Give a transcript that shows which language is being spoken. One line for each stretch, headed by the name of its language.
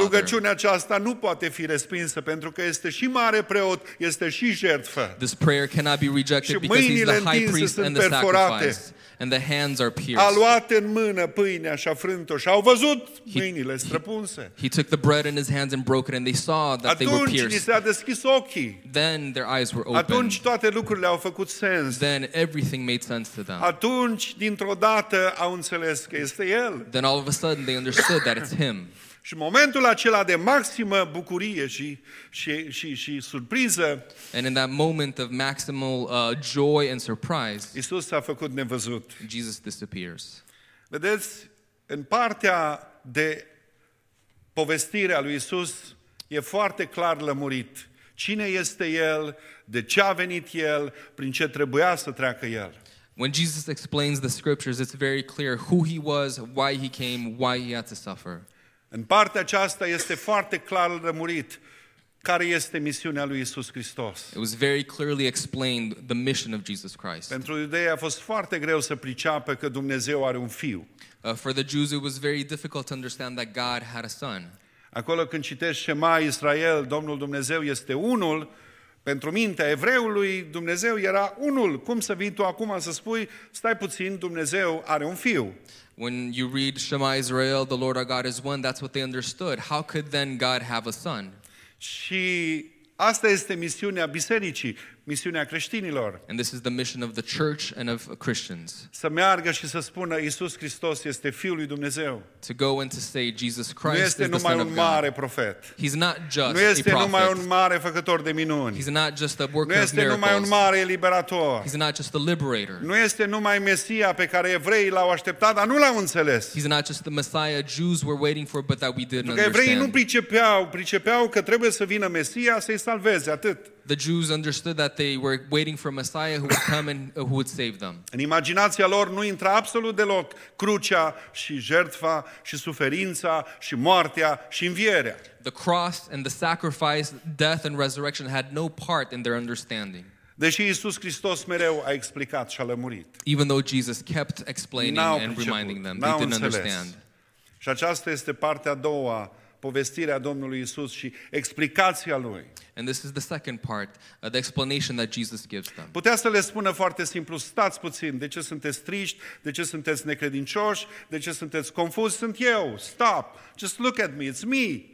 Romanian: Rugăciunea aceasta nu poate fi respinsă pentru că este și mare preot, este și jertfă.
English: This prayer cannot be rejected because he's the high priest and the sacrifice. And the hands are pierced.
Romanian: A luat în mână pâinea și a frânt-o și au văzut mâinile străpunse.
English: He took the bread in his hands and broke it and they saw that
Romanian: atunci
English: they were pierced.
Romanian: Atunci ni s-a deschis ochii.
English: Then their eyes were opened.
Romanian: Atunci toate lucrurile au făcut sens.
English: Then everything made sense to them.
Romanian: Atunci dintr-o dată au înțeles că este El.
English: Then all of a sudden they understood that it's Him.
Romanian: Și momentul acela de maximă bucurie și surpriză.
English: And in that moment of maximal joy and surprise.
Romanian: Iisus s-a făcut nevăzut.
English: Jesus disappears.
Romanian: Vedeți, în partea de povestire a lui Iisus e foarte clar lămurit cine este El, de ce a venit El, prin ce trebuia să treacă El.
English: When Jesus explains the scriptures, it's very clear who he was, why he came, why he had to suffer.
Romanian: În partea aceasta este foarte clar lămurit care este misiunea lui Iisus Hristos.
English: It was very clearly explained the mission of Jesus Christ.
Romanian: Pentru iudei a fost foarte greu să priceapă că Dumnezeu are un fiu.
English: For the Jews it was very difficult to understand that God had a son.
Romanian: Acolo când citești Shema Israel, Domnul Dumnezeu este unul, pentru mintea evreului Dumnezeu era unul. Cum să vii tu acum să spui: stai puțin, Dumnezeu are un fiu?
English: When you read Shema Israel, the Lord our God is one, that's what they understood. How could then God have a son?
Romanian: Și asta este misiunea bisericii, misiunea creștinilor.
English: And this is the mission of the church and of Christians.
Romanian: Să meargă și să spună: Iisus Hristos este Fiul lui Dumnezeu.
English: To go and to say Jesus Christ is the Son of God.
Romanian: Nu este numai un mare profet.
English: He's not just a prophet.
Romanian: Nu este numai un mare făcător de minuni.
English: He's not just a worker of miracles.
Romanian: Nu este numai un mare eliberator.
English: He's not just a liberator.
Romanian: Nu este numai Mesia pe care evreii l-au așteptat, dar nu l-au înțeles.
English: He's not just the Messiah Jews were waiting for but that we didn't understand.
Romanian: Pentru că evreii nu pricepeau că trebuie să vină Mesia să-i salveze, atât.
English: The Jews understood that they were waiting for Messiah who would come and who would save them.
Romanian: În imaginația lor nu intra absolut deloc crucea și jertfa și suferința și moartea și învierea.
English: The cross and the sacrifice, death and resurrection had no part in their understanding.
Romanian: Deși Iisus Hristos mereu a explicat și a lămurit.
English: Even though Jesus kept explaining
Romanian: n-au
English: and reminding them, they didn't understand.
Romanian: Și aceasta este partea a doua, povestirea Domnului Iisus și explicația Lui.
English: And this is the second part, the explanation that Jesus gives them.
Romanian: Putea să le spună foarte simplu: stați puțin, de ce sunteți triști, de ce sunteți necredincioși, de ce sunteți confuzi, sunt eu,
English: stop, just look at me, it's me.